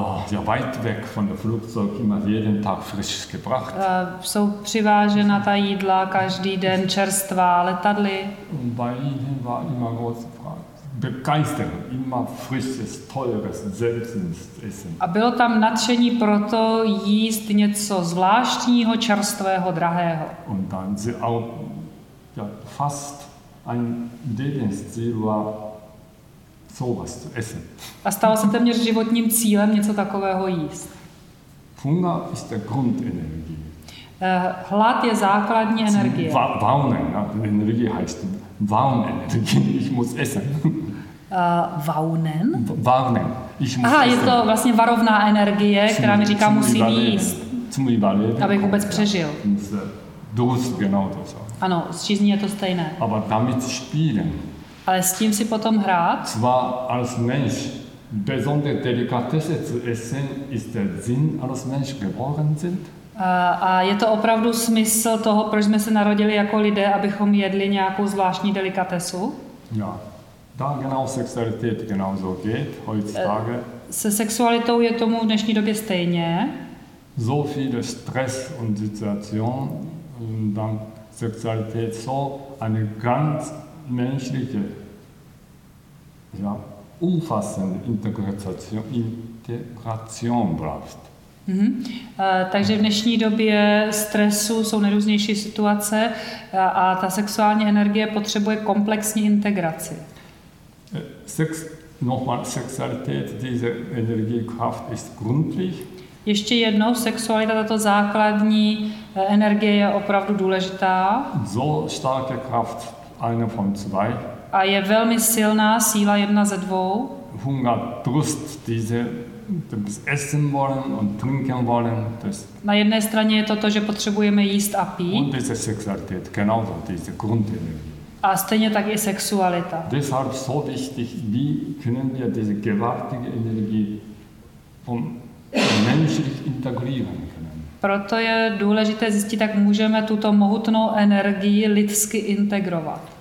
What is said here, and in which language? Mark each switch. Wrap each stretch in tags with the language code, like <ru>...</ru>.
<de>Ja, weit weg von der Flugzeug immer jeden Tag frisch gebracht.</de> <cs>Jsou přivážena ta jídla každý den čerstvá letadly.</cs> <de>Und bei ihnen war immer große Frage. Begeisterung, immer frisches, teures, seltenes Essen.</de> <cs>A bylo tam nadšení proto jíst něco zvláštního, čerstvého, drahého.</cs> <de>Und dann sie auch, ja, fast ein Lebensziel war, sowas zu essen.</de> <cs>A stalo se téměř životním cílem něco takového jíst.</cs> <de>Hunger ist der Grundenergie.</de> <cs>Hlad je základní energie.</cs> <de>Waunen, ja, Energie heißt Waunenergie. Ich muss essen. Waunen? Waunen. Ich muss aha, essen.</de> <cs>Je to vlastně varovná energie,</cs> <de>zum,</de> <cs>která mi říká, musím jíst.</cs> <de>Zum überleben.</de> <cs>Abych vůbec přežil.</cs> <de>Ja, Durst, genau to so.</de> <cs>Ano, s žízní je to stejné.</cs> <de>Aber damit spielen.</de> <cs>Ale s tím si potom hrát?</cs> <de>Zwar als Mensch besondere Delikatesse zu essen ist der Sinn als Mensch geboren sind.</de> <cs>A je to opravdu smysl toho, proč jsme se narodili jako lidé, abychom jedli nějakou zvláštní delikatesu?</cs> <de>Ja. Da genau Sexualität genauso geht heutzutage.</de> <cs>Se sexualitou je tomu v dnešní době stejně.</cs> <de>So viel Stress und Situation und dann Sexualität so eine ganz menschliche, ja, umfassende Integration braucht. Mm-hmm.</de> <cs>Takže v dnešní době stresu jsou nejrůznější situace a ta sexuální energie potřebuje komplexní integraci.</cs> <de>Sexualität, diese Energiekraft ist gründlich.</de> <cs>Ještě jednou, sexualita, tato základní energie je opravdu důležitá.</cs> <de>So starke Kraft, eine von zwei.</de> <cs>A je velmi silná síla, jedna ze dvou.</cs> <de>Hunger, Durst, diese, das Essen wollen und trinken wollen, das.</de> <cs>Na jedné straně je to, že potřebujeme jíst a pít.</cs> <de>Und diese Sexualität, genau so, diese Grundenergie.</de> <cs>A stejně tak i sexualita.</cs> <de>Deshalb so wichtig, wie können wir diese gewaltige Energie von menschlich integrieren können.</de> <cs>Proto je důležité zjistit, jak můžeme tuto mohutnou energii lidsky integrovat.</cs>